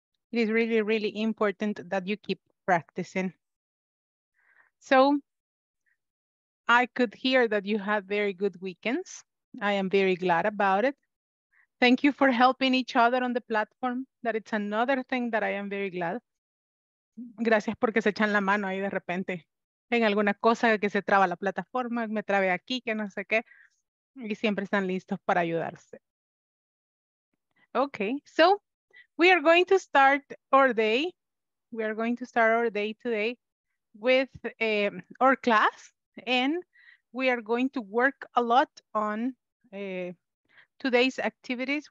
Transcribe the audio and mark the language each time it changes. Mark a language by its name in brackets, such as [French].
[English] It is really, really important that you keep practicing. So I could hear that you had very good weekends. I am very glad about it. Thank you for helping each other on the platform. That it's another thing that I am very glad. [Spanish] Gracias porque se echan la mano ahí de repente en alguna cosa que se traba la plataforma, me trabe aquí, que no sé qué, y siempre están listos para ayudarse. [English] Okay, so we are going to start our day. We are going to start our day today with our class, and we are going to work a lot on today's activities.